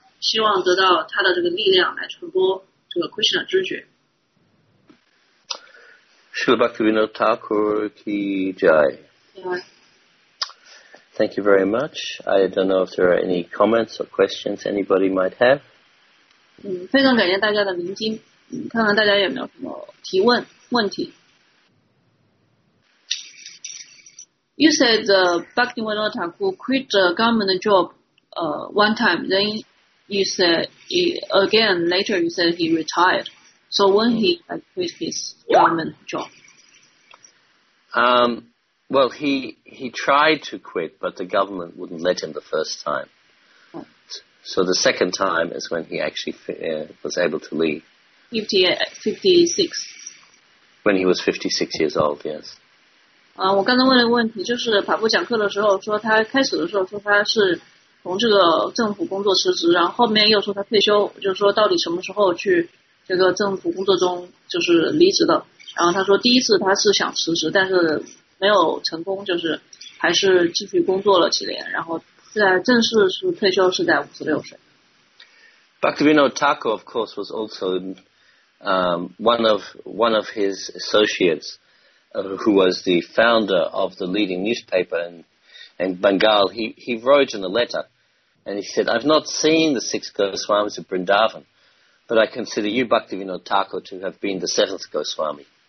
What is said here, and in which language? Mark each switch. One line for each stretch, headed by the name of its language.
Chinese: 希望得到他的这个力量来传播这个 Krishna 知觉。
Hindi: Srila Bhaktivinoda Thakur ki jai.
English: Thank you very much. I don't know if there are any comments or questions anybody might have.
Chinese: 非常感谢大家的聆听，看看大家有没有什么提问问题。
English: You said Bhaktivinoda Thakur quit the government job, one time then. You said, later you said he retired. So when he quit his government job? Well, he tried to quit, but the government wouldn't let him the first time. So the second time is when he actually was able to leave. 56. When he was 56 years old, yes.
Chinese: 我刚才问的问题就是法布讲课的时候说他开始的时候说他是从这个政府工作辞职，然后后面又说他退休，就是说到底什么时候去这个政府工作中就是离职的。然后他说第一次他是想辞职，但是没没有成功，就是还是继续工作了几年，然后在正式是退休是在56岁。
English: Bhaktivinoda Thakur, of course, was also one of his associates, who was the founder of the leading newspaper in Bengal. He wrote in a letter, and he said, "I've not seen the six Goswamis of Vrindavan, but I consider you, Bhaktivinoda Thakur, to have been the seventh Goswami."